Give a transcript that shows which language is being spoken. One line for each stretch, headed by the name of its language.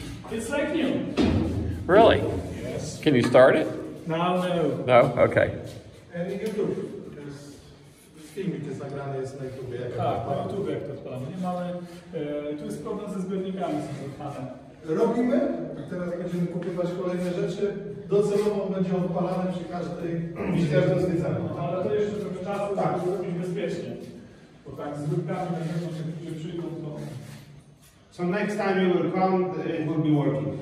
English: It's like new. Really? Yes. Can you start it? No, no. No? Okay. And you do. Because the thing is like that is like two vectors. Ah, two vectors, but I'm not.
Polish: Tu jest problem ze zbiornikami. Robimy, a teraz będziemy kupować kolejne rzeczy. Docelowo będzie odpalane przy każdej wizerze zwiedzania. Ale to jeszcze trochę czasu, tak, żeby zrobić bezpiecznie. Bo tak, z zbiornikami będziemy się przyjdą, to.
English: So next time you will come, it will be working.